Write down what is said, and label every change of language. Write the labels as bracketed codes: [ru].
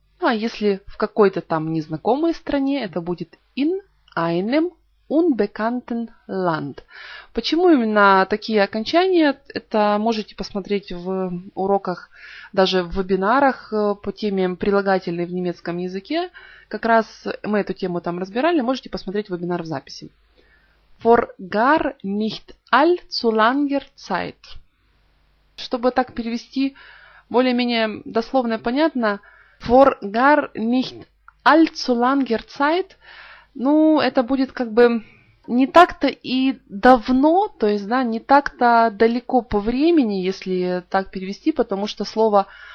[ru] Ну, а если в какой-то там незнакомой стране, это будет [de] in einem unbekannten Land. [ru] Почему именно такие окончания? Это можете посмотреть в уроках, даже в вебинарах по теме прилагательные в немецком языке. Как раз мы эту тему там разбирали. Можете посмотреть вебинар в записи. [de] Vor gar nicht allzu langer Zeit. [ru] Чтобы так перевести более-менее дословно и понятно, [de] vor gar nicht allzu langer Zeit, [ru] ну, это будет как бы не так-то и давно, то есть, да, не так-то далеко по времени, если так перевести, потому что слово